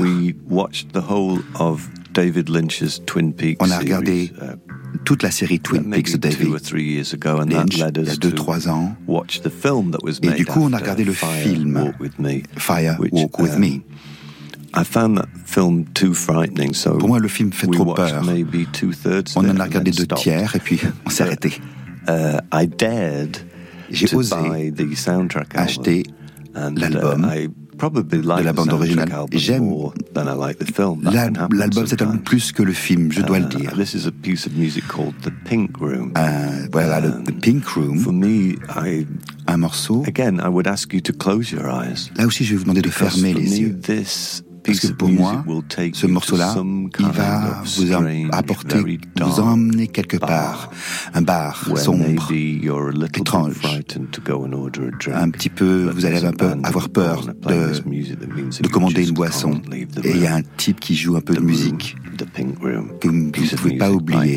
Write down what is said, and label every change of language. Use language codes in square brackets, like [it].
[en] We watched the whole of David Lynch's Twin Peaks. [fr] On a regardé toute la série Twin Peaks de David Lynch il y a 2-3 ans. [en] Watch the film that was [fr] et du coup, on a regardé le film Fire Walk With Me. [en] I found that film too frightening, so [fr] pour moi, le film fait trop peur. [en] Maybe two-thirds [fr] on en a regardé 2/3 et puis on s'est arrêté. [en] I dared. [fr] J'ai osé acheter l'album de la bande originale. J'aime l'album, cet album plus que le film, je dois le dire. [en] This is a piece of music called The Pink Room. [fr] Voilà, The Pink Room. [en] For me, [fr] un morceau. [en] Again, I would ask you to close your eyes. [fr] Là aussi, je vais vous demander de fermer les yeux. [en] This [fr] parce que pour moi, ce morceau-là, il va vous apporter, vous emmener quelque part, un bar sombre, étrange, un petit peu, vous allez un peu avoir peur de commander une boisson, et il y a un type qui joue un peu de musique, que vous ne pouvez pas oublier.